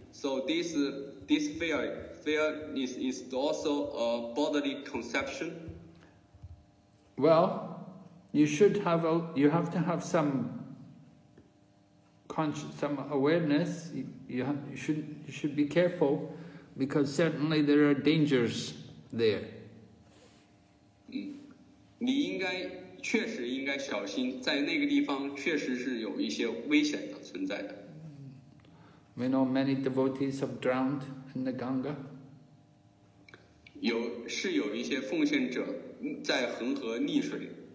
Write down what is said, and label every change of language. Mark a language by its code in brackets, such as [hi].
[en] So this fear is also a bodily conception. Well. You have to have some awareness. You should be careful, because certainly there are dangers there. [zh] 你应该确实应该小心，在那个地方确实是有一些危险的存在的。 [en] We know many devotees have drowned in the Ganga. [zh] 有是有一些奉献者在恒河溺水。